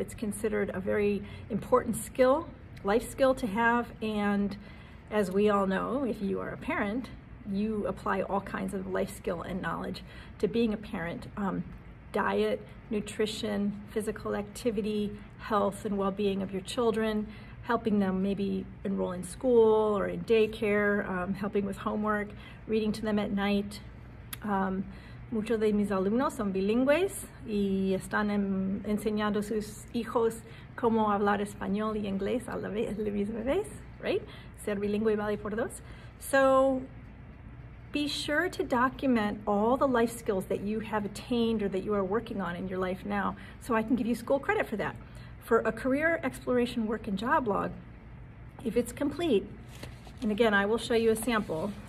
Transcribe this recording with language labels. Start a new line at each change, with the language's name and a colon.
English: It's considered a very important skill, life skill to have, and as we all know, if you are a parent, you apply all kinds of life skill and knowledge to being a parent. Diet, nutrition, physical activity, health and well-being of your children, helping them maybe enroll in school or in daycare, helping with homework, reading to them at night.
Spanish: Muchos de mis alumnos son bilingües y están enseñando a sus hijos cómo hablar español y inglés a la misma vez,
English: right?
Spanish: Ser bilingüe vale por dos.
English: So be sure to document all the life skills that you have attained or that you are working on in your life now so I can give you school credit for that. For a career exploration work and job log, if it's complete, and again, I will show you a sample.